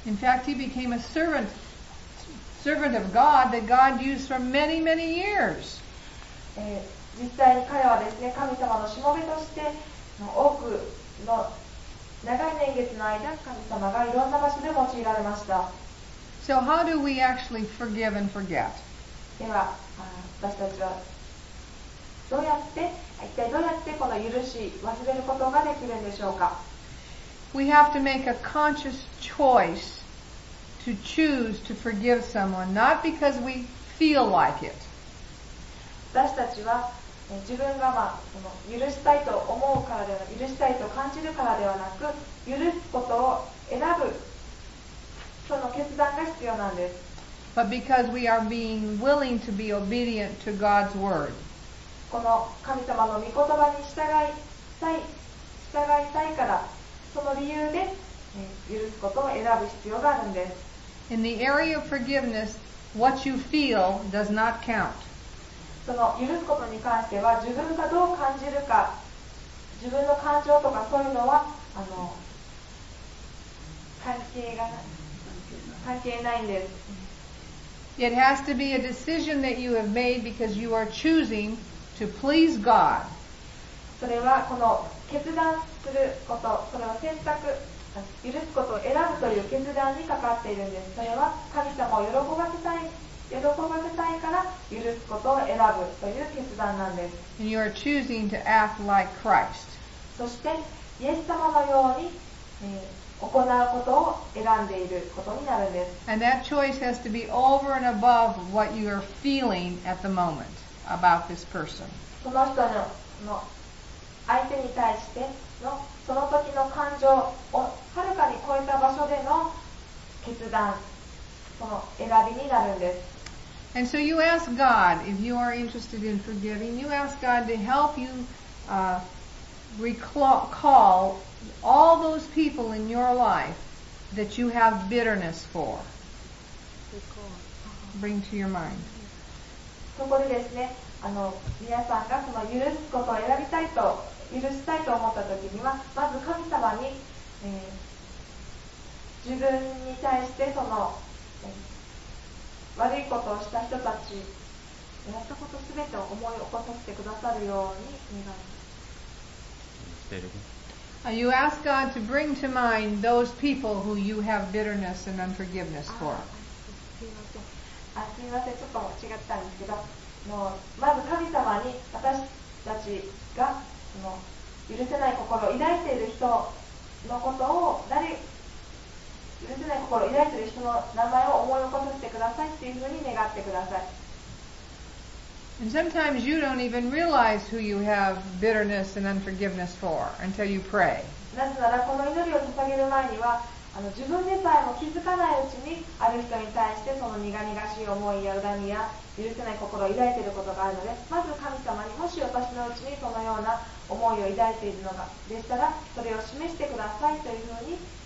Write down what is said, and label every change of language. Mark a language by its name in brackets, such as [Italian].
[English] In fact, he became a servant of God that God used for many, many years. [Japanese] 実際に彼はですね、神様のしもべとして、多くの長い年月の間、神様がいろんな場所で用いられました。 [English] So how do we actually forgive and forget? [Japanese] では、私たちはどうやって、一体どうやってこの許し、忘れることができるんでしょうか? [English] We have to make a conscious choice to choose to forgive someone, not because we feel like it. [Japanese] 私たちは自分が、まあ、その許したいと思うからではなく、許したいと感じるからではなく、許すことを選ぶその決断が必要なんです。 [English] But because we are being willing to be obedient to God's word. [Japanese] この神様の御言葉に従いたいから、その理由で許すことを選ぶ必要があるんです。 [English] In the area of forgiveness, what you feel does not count. [Japanese] その許すことに関しては自分がどう感じるか自分の感情とかそういうのは関係ないんです。 [English] It has to be a decision that you have made because you are choosing to please God. [Japanese] それはこの決断すること、それは選択、許すことを選ぶという決断にかかっているんです。それは神様を喜ばせたいから許すことを選ぶという決断なんです。 [English] And you are choosing to act like Christ. [Japanese] そしてイエス様のように、行うことを選んでいることになるんです。 [English] And that choice has to be over and above what you are feeling at the moment about this person. [Japanese] その人の、その相手に対してのその時の感情をはるかに超えた場所での決断、その選びになるんです。 [English] And so you ask God, if you are interested in forgiving, you ask God to help you recall all those people in your life that you have bitterness for. Bring to your mind. [Japanese] そこでですね、皆さんがその許すことを選びたいと、許したいと思った時には、まず神様に、自分に対してその悪いことをした人たち、やったことすべてを思い起こさせてくださるように願います。 [English] You ask God to bring to mind those people who you have bitterness and unforgiveness for. [Japanese] すみません、ちょっと違ったんですけど、もうまず神様に私たちがその許せない心を抱いている人のことを誰許せない心を抱いている人の名前を思い起こさせてくださいっていうふうに願ってください。 [English] And sometimes you don't even realize who you have bitterness and unforgiveness for until you pray. [Japanese] なぜならこの祈りを捧げる前には、自分でさえも気づかないうちにある人に対してその苦々しい思いや恨みや許せない心を抱いていることがあるので、まず神様にもし私のうちにそのような思いを抱いているのがでしたら、それを示してくださいというふうに。